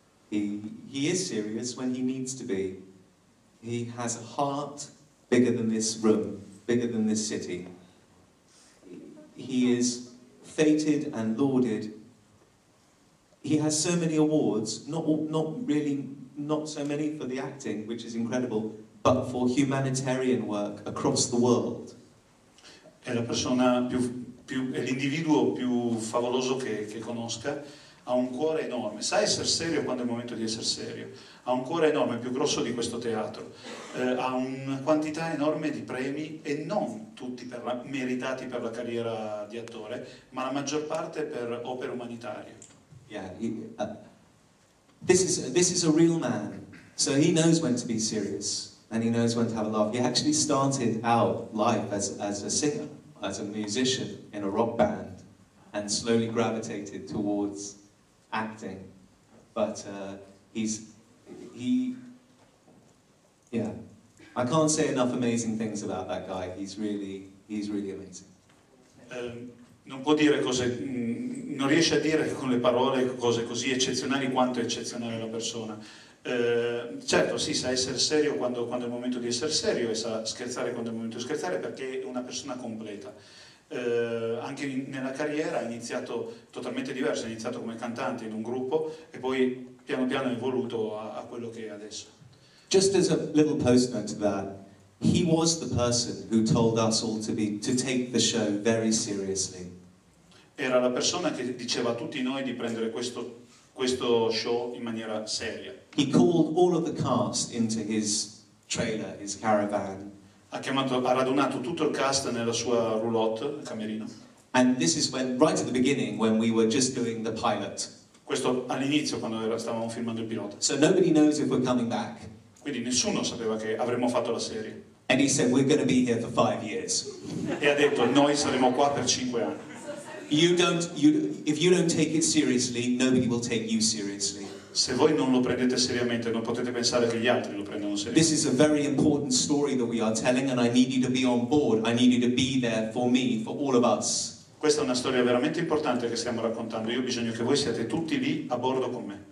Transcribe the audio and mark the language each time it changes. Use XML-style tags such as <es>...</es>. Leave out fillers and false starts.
<en>He is serious when he needs to be. He has a heart bigger than this room, bigger than this city. He is feted and lauded. He has so many awards, not so many for the acting, which is incredible, but for humanitarian work across the world.</en> <it>È la persona più è l'individuo più favoloso che conosca. Ha un cuore enorme. Sa essere serio quando è il momento di essere serio. Ha un cuore enorme, più grosso di questo teatro. Ha una quantità enorme di premi, e non tutti meritati per la carriera di attore, ma la maggior parte per opere umanitarie.</it> <en>This is a real man, so he knows when to be serious and he knows when to have a laugh. He actually started out life as a singer, as a musician in a rock band, and slowly gravitated towards acting. But I can't say enough amazing things about that guy. He's really amazing.</en> <it>Non può dire cose, non riesce a dire con le parole cose così eccezionali quanto è eccezionale la persona. Certo, sì, sa essere serio quando è il momento di essere serio, e sa scherzare quando è il momento di scherzare, perché è una persona completa. Anche nella carriera ha iniziato totalmente diverso, ha iniziato come cantante in un gruppo e poi piano piano è evoluto a quello che è adesso.</it> <en>Just as a little post note to that, he was the person who told us all to take the show very seriously.</en> <it>Era la persona che diceva a tutti noi di prendere questo show in maniera seria.</it> <en>He called all of the cast into his trailer, his caravan.</en> <it>Ha radunato tutto il cast nella sua roulotte, il camerino.</it> <en>And this is when, right at the beginning, when we were just doing the pilot.</en> <it>Questo all'inizio, quando stavamo filmando il pilota.</it> <en>So nobody knows if we're coming back.</en> <it>Quindi nessuno sapeva che avremmo fatto la serie.</it> <en>And he said, we're going to be here for 5 years.</en> <it>E ha detto, noi saremo qua per 5 anni.</it> <en>If you don't take it seriously, nobody will take you seriously.</en> <it>Se voi non lo prendete seriamente, non potete pensare che gli altri lo prendano seriamente.</it> <en>This is a very important story that we are telling, and I need you to be on board. I need you to be there for me, for all of us.</en> <it>Questa è una storia veramente importante che stiamo raccontando. Io ho bisogno che voi siate tutti lì a bordo con me.</it>